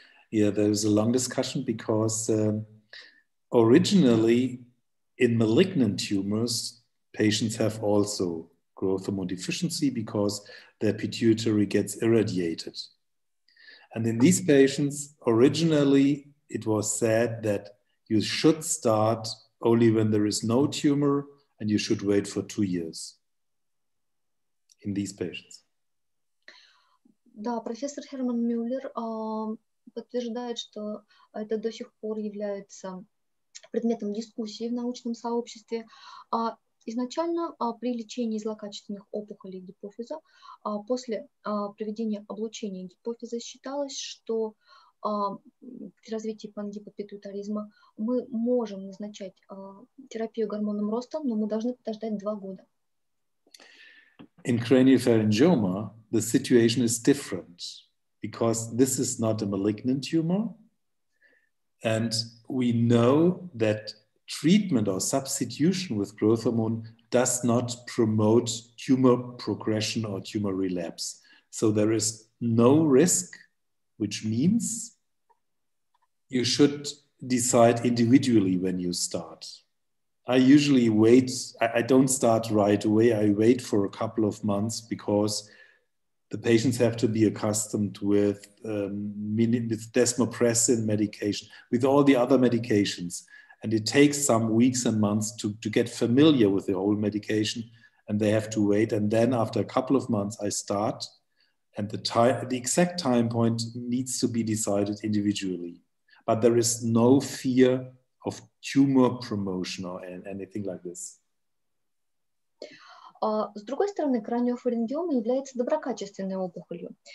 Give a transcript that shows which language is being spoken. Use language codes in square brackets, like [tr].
[en] Yeah, there is a long discussion because originally in malignant tumors, patients have also growth hormone deficiency because their pituitary gets irradiated. And in these patients, originally it was said that you should start only when there is no tumor and you should wait for 2 years in these patients. [ru] Да, профессор Херман Мюллер подтверждает, что это до сих пор является предметом дискуссии в научном сообществе. Изначально при лечении злокачественных опухолей гипофиза после проведения облучения гипофиза считалось, что при развитии пангипопитуитаризма мы можем назначать терапию гормоном роста, но мы должны подождать 2 года. [en] In craniopharyngioma the situation is different because this is not a malignant tumor and we know that treatment or substitution with growth hormone does not promote tumor progression or tumor relapse. So there is no risk, which means you should decide individually when you start. I usually wait, I don't start right away, I wait for a couple of months because the patients have to be accustomed with desmopressin medication, with all the other medications. And it takes some weeks and months to get familiar with the old medication, and they have to wait. And then after a couple of months, I start, and the exact time point needs to be decided individually. But there is no fear of tumor promotion or anything like this. [ru] С другой стороны, краниофарингиома является доброкачественной опухолью.